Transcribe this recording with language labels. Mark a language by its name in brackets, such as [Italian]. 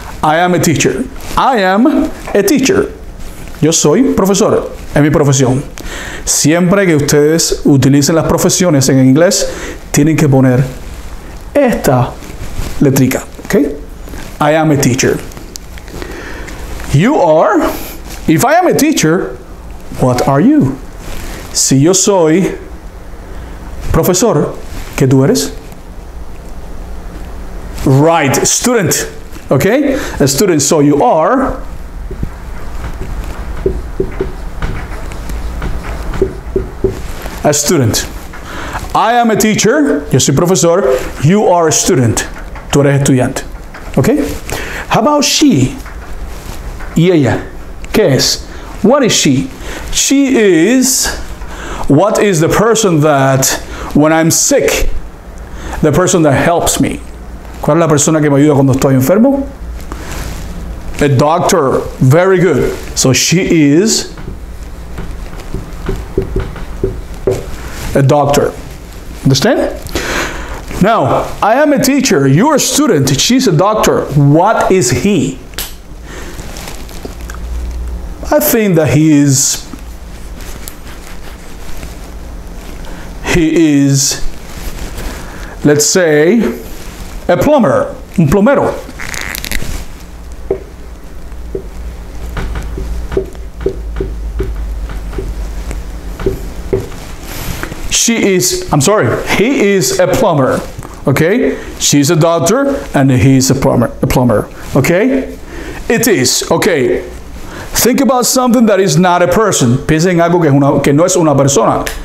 [English] I am a teacher. [Spanish] Yo soy profesor. Es mi profesión. Siempre que ustedes utilicen las profesiones en inglés, tienen que poner esta letrica. [English] Okay? I am a teacher. You are. If I am a teacher, what are you? [Spanish] Si yo soy profesor, ¿qué tú eres? [English] Right, student. Okay? A student, so you are a student. I am a teacher. [Spanish] Yo soy profesor. [English] You are a student. [Spanish] Tú eres estudiante. [English] Okay? How about she? [Spanish] Y ella. ¿Qué es? [English] What is she? She is what is the person that when I'm sick, the person that helps me. [Spanish] ¿Cuál es la persona que me ayuda cuando estoy enfermo? [English] A doctor. Very good. So she is a doctor. Understand? Now, I am a teacher. You're a student. She's a doctor. What is he? I think that he is, let's say, a plumber, [Spanish] un plomero. [English] He is a plumber, okay? She's a doctor and he's a plumber, okay? It is, okay. Think about something that is not a person. [Spanish] Piensa en algo que no es una persona.